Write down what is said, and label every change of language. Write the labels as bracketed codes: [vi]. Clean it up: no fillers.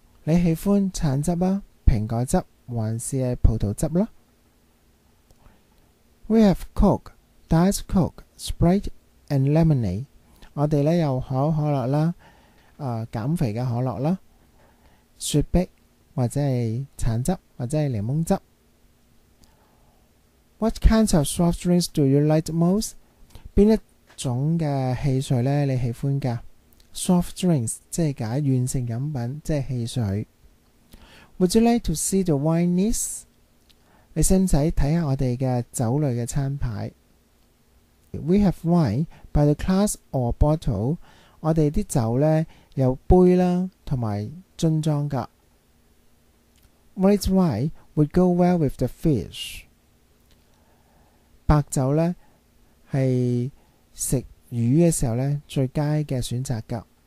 [yue] 你喜欢橙汁啊、苹果汁，还是系葡萄汁啦？ [en] We have Coke, Diet Coke, Sprite, and Lemonade. [yue] 我哋咧有可口可乐啦，减肥嘅可乐啦，雪碧或者系橙汁或者系柠檬汁。 [en] What kinds of soft drinks do you like most? [yue] 边一种嘅汽水咧你喜欢噶 ？Soft drinks 即系解软性饮品，即系汽水。 [en] Would you like to see the wine list? [yue] 你使唔使睇下我哋嘅酒类嘅餐牌 ？ [en] We have wine by the glass or bottle。 [yue] 我哋啲酒咧有杯啦，同埋樽装噶。 [en] White wine would go well with the fish。 [yue] 白酒咧系食鱼嘅时候咧最佳嘅选择噶。